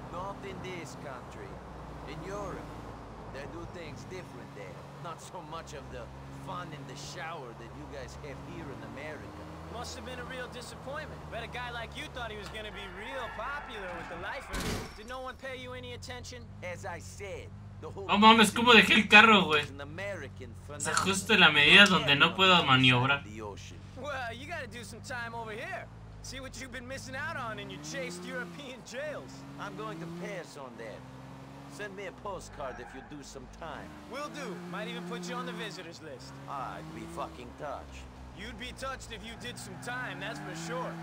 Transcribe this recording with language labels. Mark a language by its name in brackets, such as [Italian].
[English] Not in this country. In Europe. They do things different there. Not so much of the fun in the shower that you guys have here in America. Must have been a real disappointment. Bet a guy like you thought he was gonna be real popular with the lifers. Did no one pay you any attention? As I said, [Spanish] No mames, ¿cómo dejé el carro, güey? Se ajusta en la medida donde no puedo maniobrar. [English] Well, you gotta do some time over here. See what you've been missing out on in your chased European jails. I'm going to pass on that. Send me a postcard if you do some time. Will do. Might even put you on the visitors list. I'd be fucking touched. You'd be touched if you did some time, that's for sure.